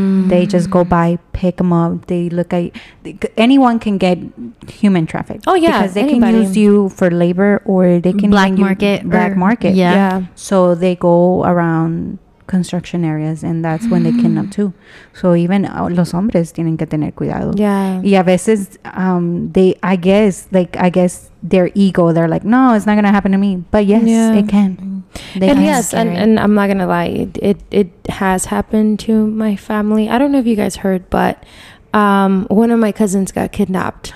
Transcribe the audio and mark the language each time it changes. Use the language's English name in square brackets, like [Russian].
[English] They just go by, pick them up, they look at... anyone can get human trafficked. Oh, yeah. Because they can use you for labor, or they can... Black market. Yeah. So they go around construction areas, and that's when they kidnap too. So even [Spanish] los hombres tienen que tener cuidado. [English] Yeah. [Spanish] Y a veces [English] I guess their ego, they're like, no, it's not gonna happen to me. But yes, it can. And I'm not gonna lie, it has happened to my family. I don't know if you guys heard, but one of my cousins got kidnapped.